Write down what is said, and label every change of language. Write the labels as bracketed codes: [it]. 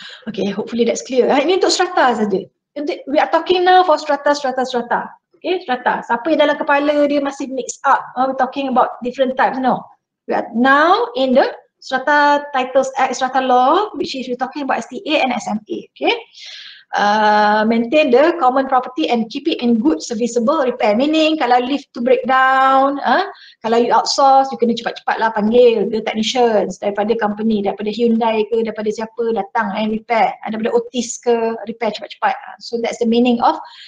[en] Okay, hopefully that's clear. [ms] Ini untuk strata saja. [en] We are talking now for strata. Okay, strata. [ms] Siapa yang dalam kepala dia masih mix up? [en] We're talking about different types, no? We are now in the strata titles act, strata law, which is we're talking about STA and SMA, okay. Maintain the common property and keep it in good serviceable repair, meaning [ms] kalau [en] lift to break down, kalau you outsource, you [ms] kena cepat-cepat lah panggil [en] the technicians [ms] daripada company, daripada Hyundai ke, daripada siapa datang [en] and repair, [ms] daripada Otis ke, [en] repair [ms] cepat-cepat. [en] So that's the meaning of